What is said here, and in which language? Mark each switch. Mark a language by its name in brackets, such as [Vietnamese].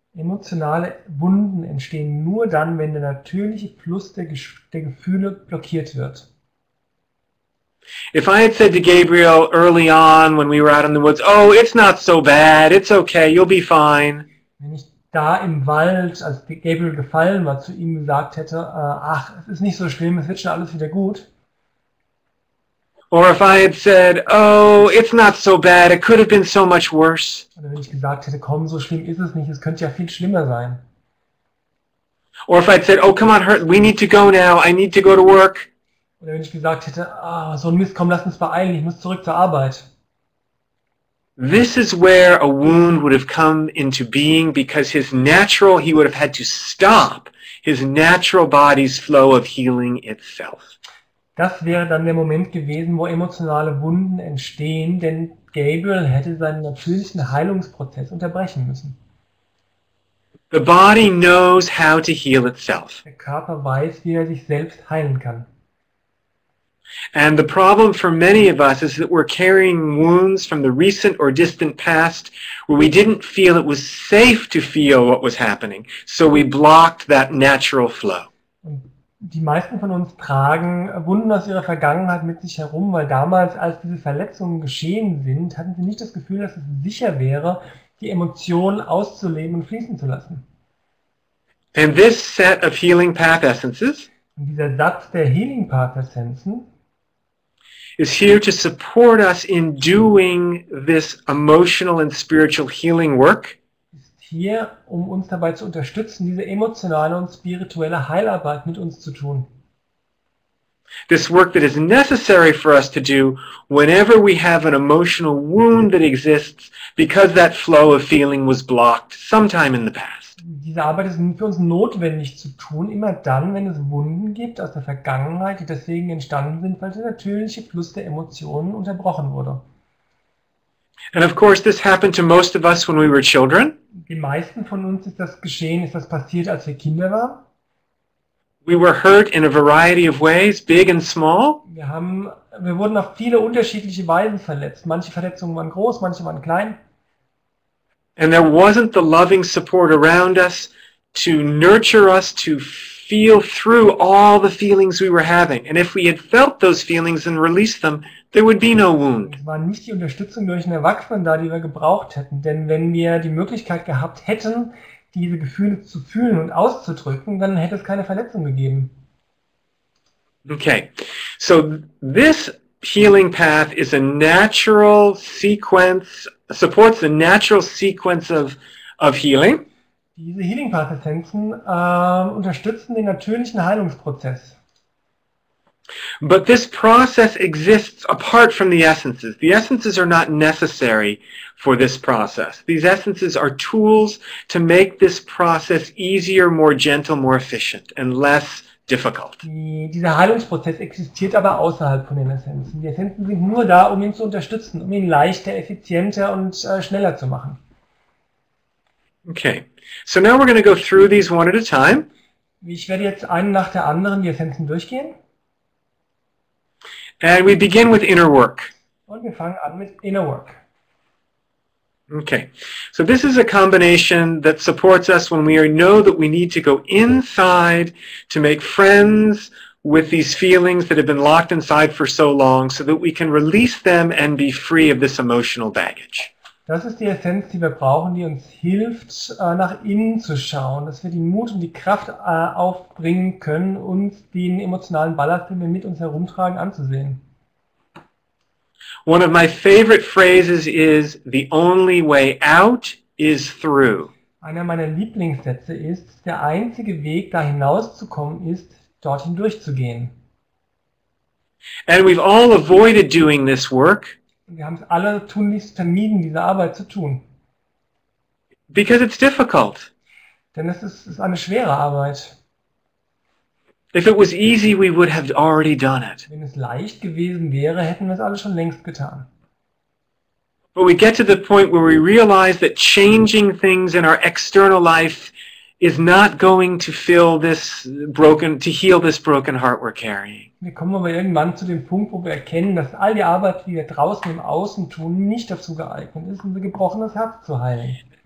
[German] Emotionale Wunden entstehen nur dann, wenn der natürliche Fluss der Gefühle blockiert wird. [English] If I had said to Gabriel early on, when we were out in the woods, oh, it's not so bad, it's okay, you'll be fine. [German] Wenn ich da im Wald, als Gabriel gefallen war, zu ihm gesagt hätte, ach, es ist nicht so schlimm, es wird schon alles wieder gut. [English] Or if I had said, oh, it's not so bad, it could have been so much worse. [German] Oder wenn ich gesagt hätte, komm, so schlimm ist es nicht, es könnte ja viel schlimmer sein. [English] Or if I had said, oh, come on, hurt, we need to go now, I need to go to work. [German] Oder wenn ich gesagt hätte, oh, so ein Mist, komm, lass uns beeilen, ich muss zurück zur Arbeit. [English] This is where a wound would have come into being, because his natural, he would have had to stop his natural body's flow of healing itself. [German] Das wäre dann der Moment gewesen, wo emotionale Wunden entstehen, denn Gabriel hätte seinen natürlichen Heilungsprozess unterbrechen müssen. [English] The body knows how to heal itself. [German] Der Körper weiß, wie er sich selbst heilen kann. [English] And the problem for many of us is that we're carrying wounds from the recent or distant past, where we didn't feel it was safe to feel what was happening, so we blocked that natural flow. [German] Und die meisten von uns tragen Wunden aus ihrer Vergangenheit mit sich herum, weil damals, als diese Verletzungen geschehen sind, hatten sie nicht das Gefühl, dass es sicher wäre, die Emotionen auszuleben und fließen zu lassen. [English] And this set of healing path essences, [German] und dieser Satz der Healing Path Essenzen, [English] is here to support us in doing this emotional and spiritual healing work. [German] Ist hier, um uns dabei zu unterstützen, diese emotionale und spirituelle Heilarbeit mit uns zu tun. [English] This work that is necessary for us to do whenever we have an emotional wound that exists because that flow of feeling was blocked sometime in the past. [German] Diese Arbeit ist für uns notwendig zu tun, immer dann, wenn es Wunden gibt aus der Vergangenheit, die deswegen entstanden sind, weil der natürliche Fluss der Emotionen unterbrochen wurde. [English] And of course this happened to most of us when we were children. [German] Die meisten von uns ist das geschehen, ist das passiert, als wir Kinder waren. [English] We were hurt in a variety of ways, big and small. [German] Wir wurden auf viele unterschiedliche Weisen verletzt. Manche Verletzungen waren groß, manche waren klein. [English] And there wasn't the loving support around us to nurture us to feel through all the feelings we were having. And if we had felt those feelings and released them, there would be no wound. [German] Es war nicht die Unterstützung durch einen Erwachsenen da, die wir gebraucht hätten. Denn wenn wir die Möglichkeit gehabt hätten, diese Gefühle zu fühlen und auszudrücken, dann hätte es keine Verletzung gegeben. [English] Okay, so this healing path is a natural sequence, supports the natural sequence of healing. [German] Diese Healing Path Essenzen unterstützen den natürlichen Heilungsprozess. [English] But this process exists apart from the essences. The essences are not necessary for this process. These essences are tools to make this process easier, more gentle, more efficient, and less difficult. [German] Dieser Heilungsprozess existiert aber außerhalb von den Essenzen. Die Essenzen sind nur da, um ihn zu unterstützen, um ihn leichter, effizienter und schneller zu machen. [English] Okay, so now we're going to go through these one at a time. [German] Ich werde jetzt einen nach der anderen die Essenzen durchgehen. [English] And we begin with inner work. [German] Und wir fangen an mit inner work. [English] Okay, so this is a combination that supports us when we know that we need to go inside to make friends with these feelings that have been locked inside for so long, so that we can release them and be free of this emotional baggage. [German] Das ist die Essenz, die wir brauchen, die uns hilft, nach innen zu schauen, dass wir den Mut und die Kraft aufbringen können, uns den emotionalen Ballast, den wir mit uns herumtragen, anzusehen. [English] One of my favorite phrases is, the only way out is through. [German] Einer meiner Lieblingssätze ist, der einzige Weg, da hinauszukommen, ist, dorthin durchzugehen. [English] And we've all avoided doing this work. [German] Wir haben es alle tunlichst vermieden, diese Arbeit zu tun. [English] Because it's difficult. [German] Denn es ist eine schwere Arbeit. [English] If it was easy, we would have already done it. [German] Wenn es leicht gewesen wäre, hätten wir es alle schon längst getan. [English] But we get to the point where we realize that changing things in our external life is not going to fill this broken, to heal this broken heart we're carrying. [German] Wir kommen aber irgendwann zu dem Punkt, wo wir erkennen, dass all die Arbeit, die wir draußen im Außen tun, nicht dazu geeignet ist, unser gebrochenes Herz zu heilen.